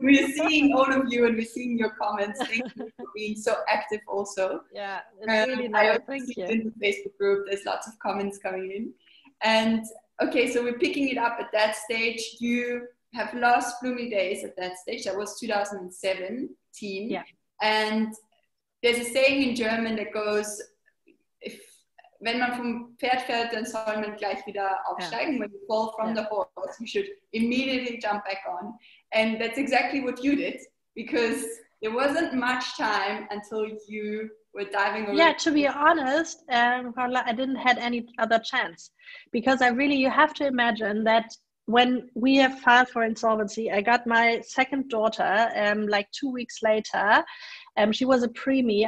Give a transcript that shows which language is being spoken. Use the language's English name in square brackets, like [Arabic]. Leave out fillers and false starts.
[English] We're seeing all of you and we're seeing your comments. Thank you for being so active also. Yeah, it's really nice. Thank you. In the Facebook group, there's lots of comments coming in. And okay, so we're picking it up at that stage. You have lost Bloomy Days at that stage. That was 2017. Yeah. And there's a saying in German that goes, if [German] wenn man vom Pferd fällt, dann soll man gleich wieder aufsteigen. [English] When you fall from the horse, you should immediately jump back on. And that's exactly what you did, because there wasn't much time until you were diving away. Yeah, to be honest, I didn't have any other chance, because I really, you have to imagine that when we have filed for insolvency, I got my second daughter like 2 weeks later. She was a preemie.